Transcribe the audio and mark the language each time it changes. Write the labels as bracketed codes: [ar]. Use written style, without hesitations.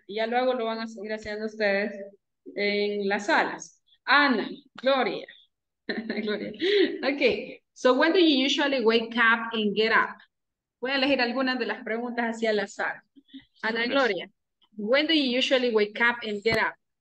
[es] Y ya luego lo van a seguir haciendo ustedes en las salas. Ana, Gloria. Gloria. Okay. [en] So when do you usually wake up and get up? [es] Voy a elegir algunas de las preguntas hacia la sala. Ana, Gloria. [en] When do you usually wake up and get up?